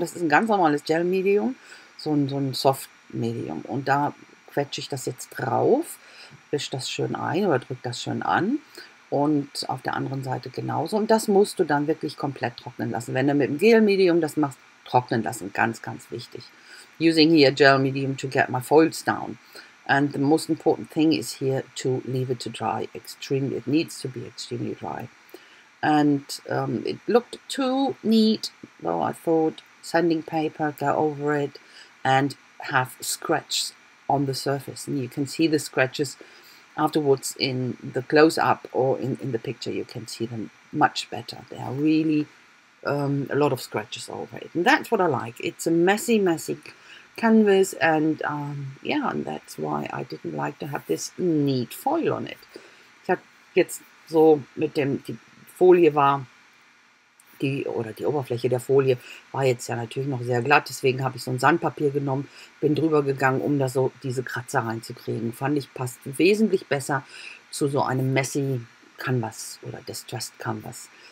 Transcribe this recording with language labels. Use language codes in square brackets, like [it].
[de] Das ist ein ganz normales Gel-Medium, so ein Soft-Medium. Und da quetsche ich das jetzt drauf, wische das schön ein oder drücke das schön an. Und auf der anderen Seite genauso. Und das musst du dann wirklich komplett trocknen lassen. Wenn du mit dem Gel-Medium das machst, trocknen lassen, ganz, ganz wichtig. [en] Using here Gel-Medium to get my foils down. And the most important thing is here to leave it to dry extremely. It needs to be extremely dry. And it looked too neat, though I thought sanding paper, go over it and have scratches on the surface. And you can see the scratches afterwards in the close-up or in the picture. You can see them much better. There are really a lot of scratches over it. And that's what I like. It's a messy, messy canvas. And and that's why I didn't like to have this neat foil on it. [de] Ich habe jetzt so mit dem... Die Oberfläche der Folie war jetzt ja natürlich noch sehr glatt, deswegen habe ich so ein Sandpapier genommen, bin drüber gegangen, um da so diese Kratzer reinzukriegen. Fand ich, passt wesentlich besser zu so einem messy Canvas oder Distressed Canvas.